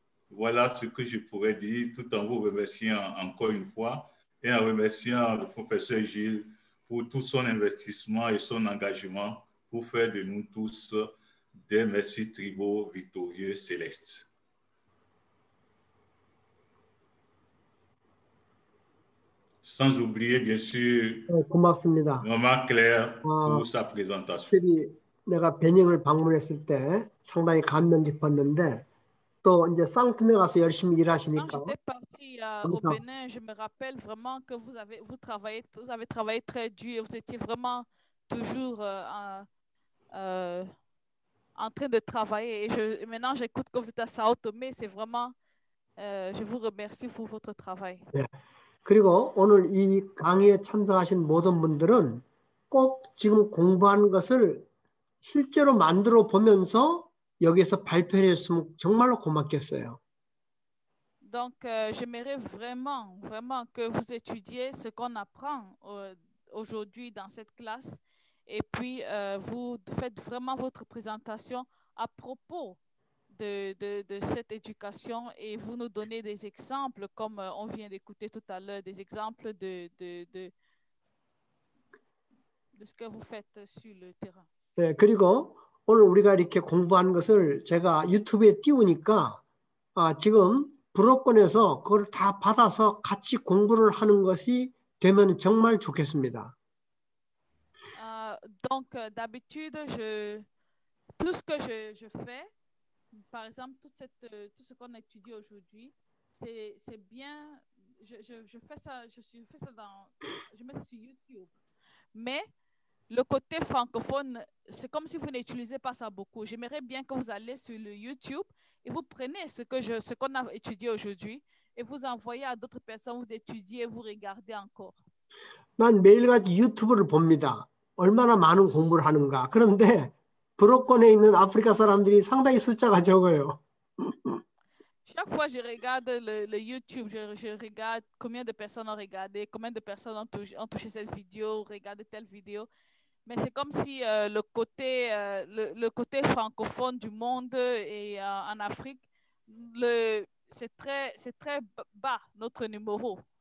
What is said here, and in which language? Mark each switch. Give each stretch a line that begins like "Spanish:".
French: Voilà ce que je pourrais dire, tout en vous remerciant encore une fois et en remerciant le professeur Gilles pour tout son investissement et son engagement pour faire de nous tous des messieurs tribaux victorieux célestes. sans oublier bien sûr comment Claire pour sa présentation.
Korean: 내가 베닝을 방문했을 때 상당히 감명 깊었는데 또 이제 상트메 가서 열심히 일하시니까
French: Quand j'étais partie au Bénin, je me rappelle vraiment que vous avez travaillé très dur, vous étiez vraiment toujours en train de travailler et maintenant j'écoute que vous êtes à Sao Tomé, c'est vraiment je vous remercie pour votre travail. 네.
Korean: 그리고 오늘 이 강의에 참석하신 모든 분들은 꼭 지금 공부하는 것을 실제로 만들어 보면서 여기서 발표해 주셨으면 정말로 고맙겠어요.
French: Donc j'aimerais vraiment que vous étudiez ce qu'on apprend aujourd'hui dans cette classe et puis vous faites vraiment votre présentation à propos de cette éducation et vous nous donnez des exemples comme on vient d'écouter tout à l'heure des exemples de ce que vous faites sur le terrain.
Korean: 네, 그리고 오늘 우리가 이렇게 공부한 것을 제가 유튜브에 띄우니까 지금 불어권에서 그걸 다 받아서 같이 공부를 하는 것이 되면 정말 좋겠습니다.
French: Donc d'habitude je tout ce que je fais par exemple tout ce qu'on étudie aujourd'hui c'est bien je fais ça je mets ça sur YouTube mais le côté francophone, c'est comme si vous n'utilisez pas ça beaucoup. J'aimerais bien que vous allez sur le YouTube et vous prenez ce qu'on a étudié aujourd'hui et vous envoyez à d'autres personnes, vous étudiez, vous regardez encore.
Korean: 난 매일같이 유튜브를 봅니다. 얼마나 많은 공부를 하는가. 그런데 불어권에 있는 아프리카 사람들이 상당히 숫자가 적어요.
French: Chaque fois, je regarde le YouTube, je regarde combien de personnes ont regardé, combien de personnes ont touché cette vidéo, regardé telle vidéo. Mais c'est comme si le côté francophone du monde et en Afrique, c'est très bas, notre numéro.